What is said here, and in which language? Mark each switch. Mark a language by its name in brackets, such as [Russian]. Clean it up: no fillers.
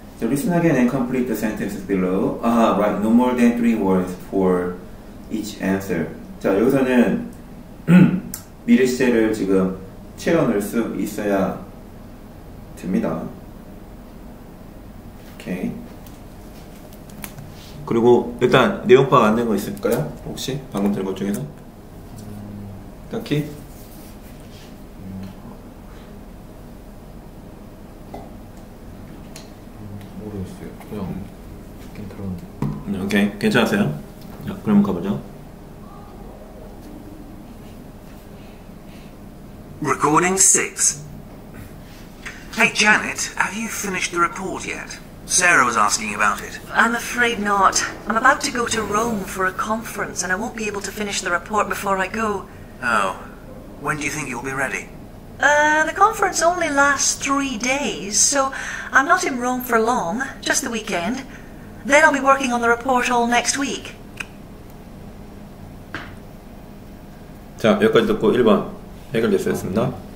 [English] So listen again and complete the sentences below. Write no more than 3 words for each answer. [Korean] 자, 여기서는 미래 시제를 지금 채워넣을 수 있어야 됩니다. [English] Okay. [Korean] 그리고 일단 내용과 맞는 거 있을까요? 혹시 방금 들은 것 중에서? 딱히? 모르겠어요. 그냥 듣긴 들었는데. 오케이. 괜찮으세요? 자, 그럼 가보죠. [English] Recording 6. Hey, Janet, have you finished the report yet? Sarah was asking about it. I'm afraid not. I'm about to go to Rome for a conference, and I won't be able to finish the report before I go. Oh. When do you think you'll be ready? The conference only lasts 3 days, so I'm not in Rome for long, just the weekend. Then I'll be working on the report all next week. [Korean] 자, 여기까지 듣고 1번 해결됐습니다.